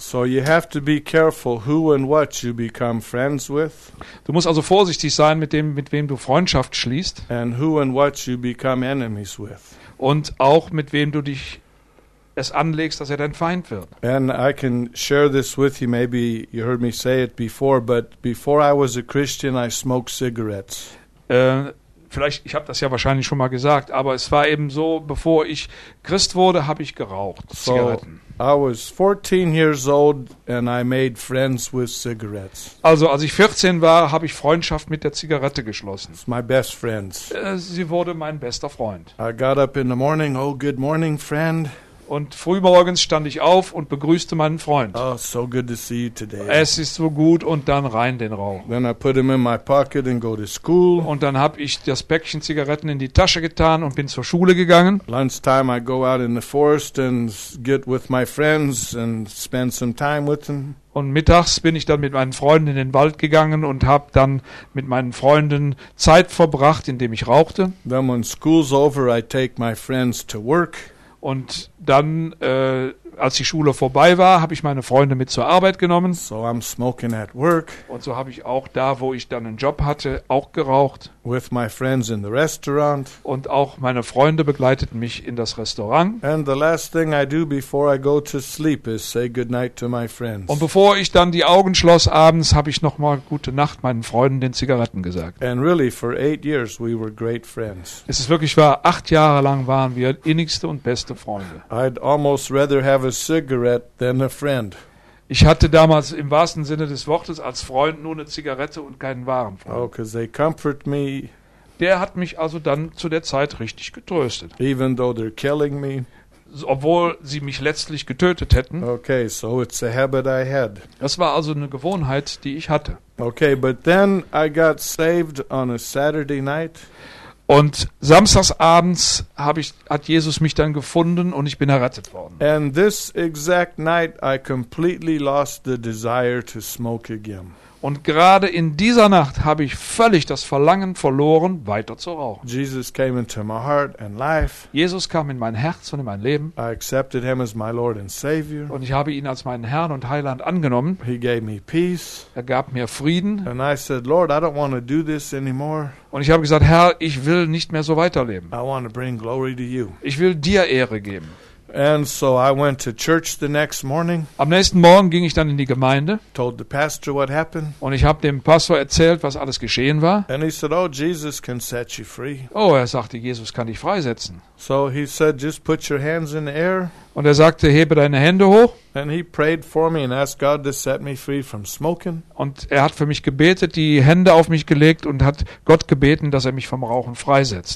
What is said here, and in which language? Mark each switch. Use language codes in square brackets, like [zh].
[en] So you have to be careful who and what you become friends with. [de] Du musst also vorsichtig sein mit dem, mit wem du Freundschaft schließt. [en] And who and what you become enemies with. [de] Und auch mit wem du dich es anlegst, dass er dein Feind wird. [en] And I can share this with you, maybe you heard me say it before, but before I was a Christian, I smoked cigarettes. [de] Vielleicht, ich habe das ja wahrscheinlich schon mal gesagt, aber es war eben so, bevor ich Christ wurde, habe ich geraucht, Zigaretten. [en] So I was 14 years old and I made friends with cigarettes. [de] Also, als ich 14 war, habe ich Freundschaft mit der Zigarette geschlossen. [en] It's my best friends. [de] Sie wurde mein bester Freund. [en] I got up in the morning, oh, good morning, friend. [de] Und frühmorgens stand ich auf und begrüßte meinen Freund. [en] Oh, so good to see you today. [de] Es ist so gut, und dann rein den Rauch. [en] Then I put him in my pocket and go to school. [de] Und dann habe ich das Päckchen Zigaretten in die Tasche getan und bin zur Schule gegangen. [en] Lunchtime I go out in the forest and get with my friends and spend some time with them. [de] Und mittags bin ich dann mit meinen Freunden in den Wald gegangen und habe dann mit meinen Freunden Zeit verbracht, indem ich rauchte. [en] Then when school's over, I take my friends to work. [de] Und dann, als die Schule vorbei war, habe ich meine Freunde mit zur Arbeit genommen. [en] So I'm smoking at work. [de] Und so habe ich auch da, wo ich dann einen Job hatte, auch geraucht. [en] With my friends in the restaurant. [de] Und auch meine Freunde begleiteten mich in das Restaurant. [en] And the last thing I do before I go to sleep is say goodnight to my friends. [de] Und bevor ich dann die Augen schloss abends, habe ich noch mal gute Nacht meinen Freunden den Zigaretten gesagt. [en] And really, for 8 years we were great friends. [de] Es ist wirklich wahr. 8 Jahre lang waren wir innigste und beste Freunde. [en] I'd almost rather have a cigarette than a friend. [de] Ich hatte damals im wahrsten Sinne des Wortes als Freund nur eine Zigarette und keinen wahren Freund. [en] Oh, 'cause they comfort me. [de] Der hat mich also dann zu der Zeit richtig getröstet. [en] Even though they're killing me. [de] Obwohl sie mich letztlich getötet hätten. [en] Okay, so it's a habit I had. [de] Das war also eine Gewohnheit, die ich hatte. [en] Okay, but then I got saved on a Saturday night. [de] Und samstags abends hat Jesus mich dann gefunden und ich bin errettet worden. [en] And this exact night I completely lost the desire to smoke again. [de] Und gerade in dieser Nacht habe ich völlig das Verlangen verloren, weiter zu rauchen. [en] Jesus came into my heart and life. [de] Jesus kam in mein Herz und in mein Leben. [en] I accepted him as my Lord and Savior. [de] Und ich habe ihn als meinen Herrn und Heiland angenommen. [en] He gave me peace. [de] Er gab mir Frieden. [en] And I said, Lord, I don't want to do this anymore. [de] Und ich habe gesagt, Herr, ich will nicht mehr so weiterleben. [en] I want to bring glory to you. [de] Ich will dir Ehre geben. [en] And so I went to church the next morning. [de] Am nächsten Morgen ging ich dann in die Gemeinde. [en] Told the pastor what happened. [de] Und ich habe dem Pastor erzählt, was alles geschehen war. [en] And he said, "Oh, Jesus can set you free." [de] Oh, er sagte, Jesus kann dich freisetzen. [en] So he said, "Just put your hands in the air." [de] Und er sagte, hebe deine Hände hoch. [en] And he prayed for me and asked God to set me free from smoking. [de] Und er hat für mich gebetet, die Hände auf mich gelegt und hat Gott gebeten, dass er mich vom Rauchen freisetzt.